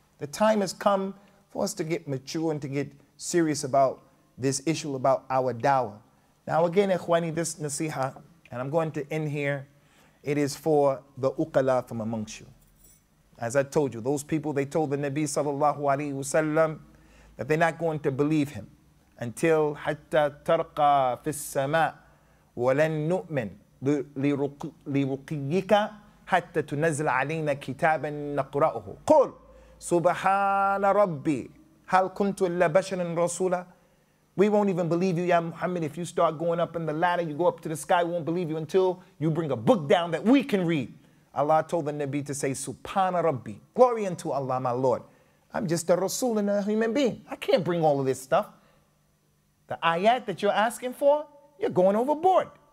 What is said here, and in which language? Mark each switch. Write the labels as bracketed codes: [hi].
[en] The time has come for us to get mature and to get serious about this issue about our dawah. Now again, ikhwani, this nasiha, and I'm going to end here, it is for the uqala from amongst you. As I told you, those people, they told the Nabi sallallahu alayhi wasallam that they're not going to believe him. Until [ar] حتى ترقى في السماء ولن نؤمن لرقيك حتى تنزل علينا كتابا نقرأه قل سبحان ربي هل كنت إلا بشرا رسولا. [en] We won't even believe you, ya Muhammad, if you start going up in the ladder, you go up to the sky, we won't believe you until you bring a book down that we can read. Allah told the Nabi to say [ar] سبحان ربي, [en] glory unto Allah, my Lord. I'm just a Rasul and a human being. I can't bring all of this stuff. The ayat that you're asking for, you're going overboard.